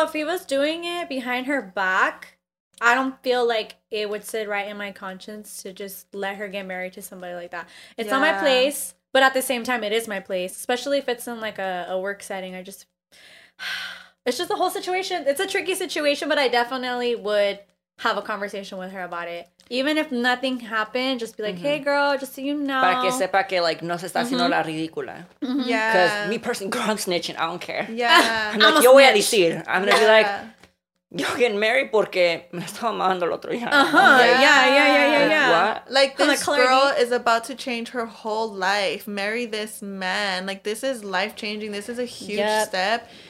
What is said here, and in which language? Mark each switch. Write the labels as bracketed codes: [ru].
[en] If he was doing it behind her back, I don't feel like it would sit right in my conscience to just let her get married to somebody like that. It's not my place, but at the same time, it is my place. Especially if it's in, like, a work setting. It's just the whole situation. It's a tricky situation, but I definitely would have a conversation with her about it. Even if nothing happened, just be like, mm-hmm. hey, girl, just so you know. [es] Para que sepa que, like, no se está haciendo mm-hmm. la ridícula. [en] Mm-hmm. Yeah. Because me personally, girl, I'm snitching. I don't care. Yeah. I'm like, [es] yo voy a decir. [en] I'm going to be like, yo getting married [es] porque me estaba mamando el otro día. [en] Uh-huh. Yeah. What? Like, this girl is about to change her whole life. Marry this man. Like, this is life-changing. This is a huge step.